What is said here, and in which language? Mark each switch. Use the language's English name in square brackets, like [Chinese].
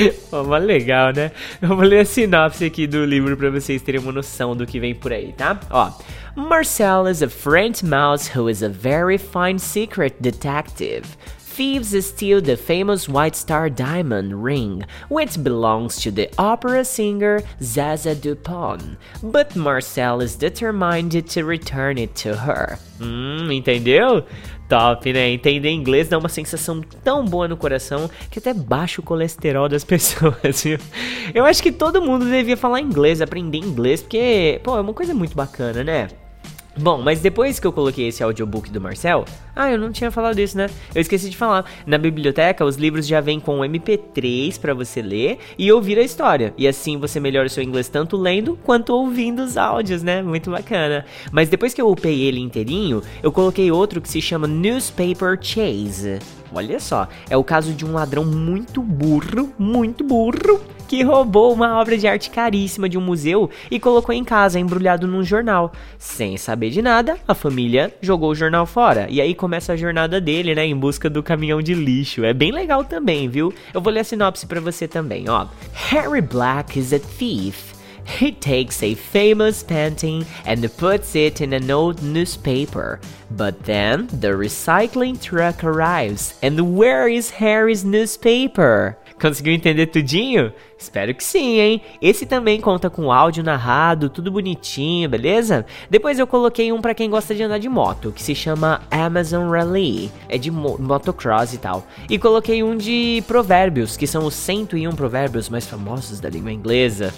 [Portuguese] Pô, mas legal, né? Eu vou ler a sinopse aqui do livro para vocês terem uma noção do que vem por aí, tá? Ó, [English] Marcel is a French mouse who is a very fine secret detective. Thieves steal the famous White Star Diamond Ring, which belongs to the opera singer Zaza Dupont. But Marcel is determined to return it to her. [Portuguese] Entendeu? Top, né? Entender inglês dá uma sensação tão boa no coração que até baixa o colesterol das pessoas, viu? Eu acho que todo mundo devia falar inglês, aprender inglês, porque, pô, é uma coisa muito bacana, né? Bom, mas depois que eu coloquei esse audiobook do Marcel. Ah, eu não tinha falado isso, né? Eu esqueci de falar. Na biblioteca, os livros já vêm com um MP3 para você ler e ouvir a história. E assim você melhora o seu inglês tanto lendo quanto ouvindo os áudios, né? Muito bacana. Mas depois que eu upei ele inteirinho, eu coloquei outro que se chama Newspaper Chase. Olha só, é o caso de um ladrão muito burro, que roubou uma obra de arte caríssima de um museu e colocou em casa, embrulhado num jornal. Sem saber de nada, a família jogou o jornal fora. E aí começa a jornada dele, né, em busca do caminhão de lixo. É bem legal também, viu? Eu vou ler a sinopse pra você também, ó. [English] Harry Black is a thief. He takes a famous painting and puts it in an old newspaper. But then the recycling truck arrives. And where is Harry's newspaper? [Portuguese] Conseguiu entender tudinho? Espero que sim, hein? Esse também conta com áudio narrado, tudo bonitinho, beleza? Depois eu coloquei um para quem gosta de andar de moto, que se chama Amazon Rally. É de motocross e tal. E coloquei um de provérbios, que são os 101 provérbios mais famosos da língua inglesa.